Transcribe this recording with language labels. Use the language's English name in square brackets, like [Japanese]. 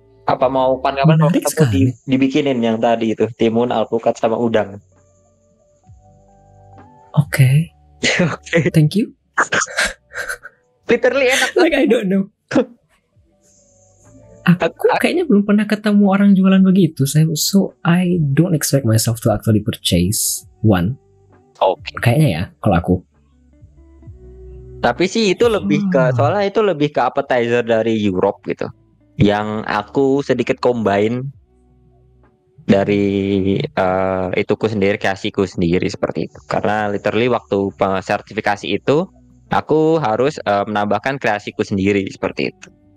[Indonesian] Apa mau kapan-kapan aku dibikinin yang tadi itu, timun, alpukat sama udang. [English] Okay. Okay. Thank you. [Indonesian] Literally enak. [English] Like I don't know. [Indonesian] Aku kayaknya belum pernah ketemu orang jualan begitu. [English] So I don't expect myself to actually purchase one. Okay. [Indonesian] Kayaknya ya kalau aku. Tapi sih itu lebih ke, soalnya itu lebih ke appetizer dari Europe gitu, yang aku sedikit combine dari ituku sendiri, kasihku sendiri seperti itu. Karena literally waktu sertifikasi itu aku harus menambahkan kreasiku sendiri seperti itu.